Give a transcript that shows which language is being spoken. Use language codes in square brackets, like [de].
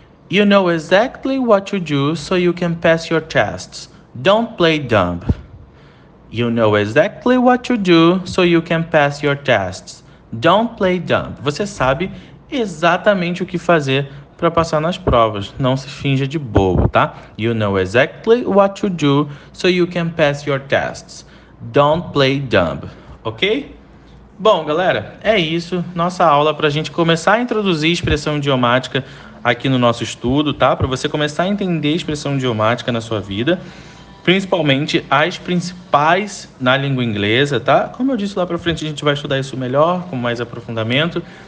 [en] You know exactly what you do so you can pass your tests. Don't play dumb. You know exactly what you do so you can pass your tests. Don't play dumb. [pt] Você sabe exatamente o que fazer para passar nas provas. Não se finja de bobo, tá? [en] You know exactly what you do so you can pass your tests. Don't play dumb. Ok? [pt] Bom, galera, é isso. Nossa aula para a gente começar a introduzir expressão idiomática aqui no nosso estudo, tá? Para você começar a entender expressão idiomática na sua vida. Principalmente as principais na língua inglesa, tá? Como eu disse lá pra frente, a gente vai estudar isso melhor, com mais aprofundamento.